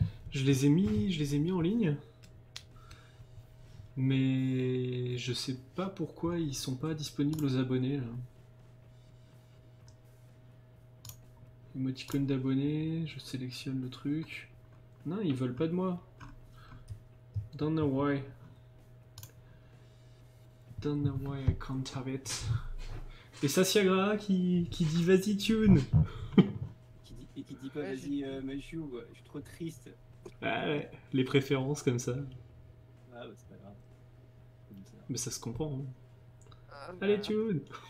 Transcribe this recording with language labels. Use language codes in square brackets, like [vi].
[fr] Je les ai mis en ligne. Mais je sais pas pourquoi ils sont pas disponibles aux abonnés là. Émoticône d'abonnés, je sélectionne le truc. Non, ils veulent pas de moi. [en] Don't know why I can't have it. [fr] Et Sassiagra qui dit vas-y Tune. Et qui dit pas vas-y Machu, je suis trop triste. Ouais, les préférences comme ça. Ah bah c'est pas grave. Ça. Mais ça se comprend. Hein. Allez Tune.